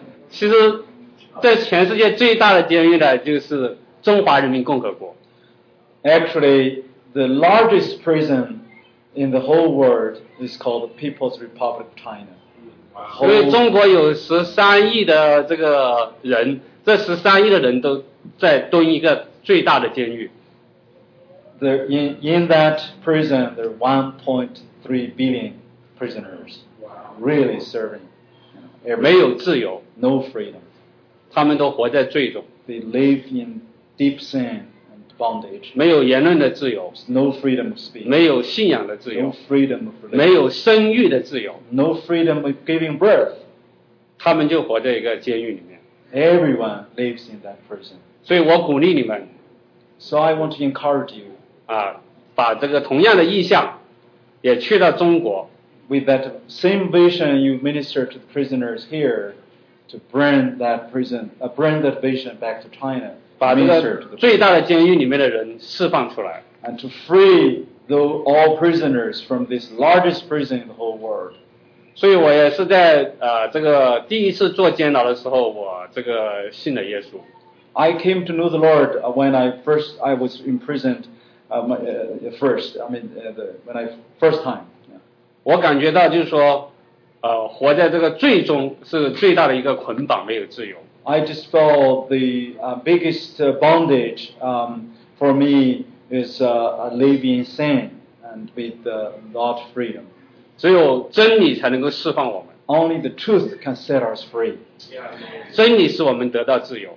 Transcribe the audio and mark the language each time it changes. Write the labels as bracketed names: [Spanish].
[Chinese] 其实在全世界最大的监狱呢，就是中华人民共和国。 [English] Actually, the largest prison in the whole world is called People's Republic of China. [Chinese] 因为中国有13亿的这个人，这13亿的人都在蹲一个最大的监狱。 [English] In that prison, there are 1.3 billion prisoners really serving. [Chinese] 没有自由 [English] ，no freedom. [Chinese] 他们都活在罪中。 [English] They live in deep sin and bondage. [Chinese] 没有言论的自由。 [English] No freedom of speech. [Chinese] 没有信仰的自由。 [English] No freedom of religion. [Chinese] 没有生育的自由。 [English] No freedom of giving birth. [Chinese] 他们就活在一个监狱里面。 [English] Everyone lives in that prison. [Chinese] 所以我鼓励你们。 [English] So I want to encourage you. [Chinese] 把这个同样的意向也去到中国。 [English] With that same vision you minister to the prisoners here, to bring that vision back to China, [Chinese] 把这个最大的监狱里面的人释放出来, [English] and to free all prisoners from this largest prison in the whole world. [Chinese] 所以我也是在, 这个第一次坐监牢的时候, 我这个信了耶稣。 [English] I came to know the Lord when I was imprisoned when I first time. Yeah. [Chinese] 我感觉到就是说, 活在这个罪中是最大的一个捆绑，没有自由。 [English] I just felt the biggest bondage for me is living in sin and with not freedom. [Chinese] 只有真理才能够释放我们。 [English] Only the truth can set us free. Yeah. [Chinese] 真理使我们得到自由。